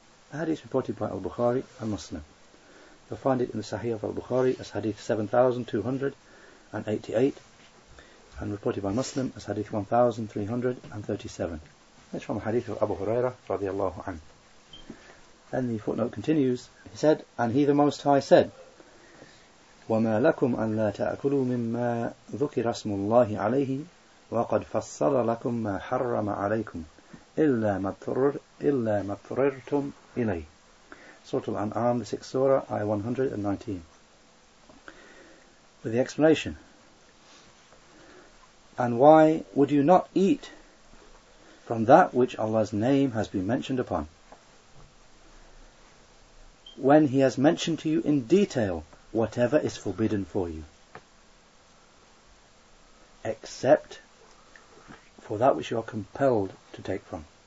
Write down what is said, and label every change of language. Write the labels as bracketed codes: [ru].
[en] The hadith reported by Al-Bukhari and Muslim. You'll find it in the Sahih of Al-Bukhari as hadith 7288. And reported by Muslim as hadith 1337. It's from the hadith of Abu Huraira radiallahu anhu. Then the footnote continues. He said, and He the Most High said, [ar] وَمَا لَكُمْ أَن لَا تَأْكُلُوا مِمَّا ذُكِرَ اسْمُ اللَّهِ عَلَيْهِ وَقَدْ فَصَّلَ لَكُمْ مَا حَرَّمَ عَلَيْكُمْ إِلَّا مَا اضْطُرِرْتُمْ إِلَيْهِ. [en] Surah Al-An'am, the 6th surah, ayah 119. With the explanation, and why would you not eat from that which Allah's name has been mentioned upon? when he has mentioned to you in detail whatever is forbidden for you, except for that which you are compelled to take from.